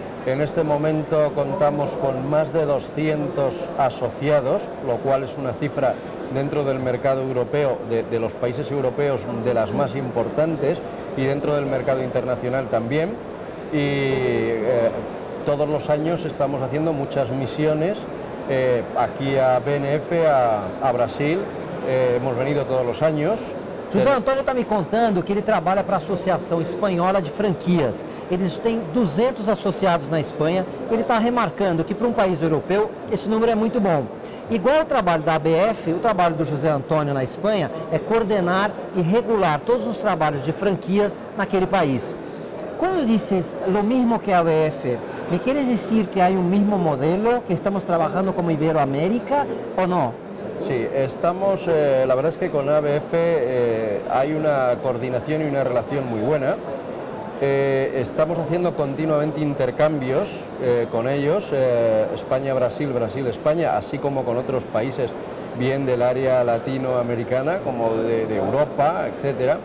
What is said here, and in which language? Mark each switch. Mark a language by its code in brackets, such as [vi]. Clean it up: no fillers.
[es] En este momento contamos con más de 200 asociados, lo cual es una cifra dentro del mercado europeo, de los países europeos, de las más importantes, y dentro del mercado internacional también. Y todos los años estamos haciendo muchas misiones aquí a BNF, a Brasil. Hemos venido todos los años. [pt] José Antonio está me contando que ele trabalha para a Associação Espanhola de Franquias. Eles têm 200 associados na Espanha. Ele está remarcando que para um país europeu esse número é muito bom. Igual o trabalho da ABF, o trabalho do José Antonio na Espanha é coordenar e regular todos os trabalhos de franquias naquele país. Quando dizes o mesmo que a ABF, me queres dizer que há um mesmo modelo, que estamos trabalhando como Iberoamérica ou não? [es] Sí, estamos, la verdad es que con ABF hay una coordinación y una relación muy buena. Estamos haciendo continuamente intercambios con ellos, España-Brasil, Brasil-España, así como con otros países, bien del área latinoamericana, como de Europa, etc.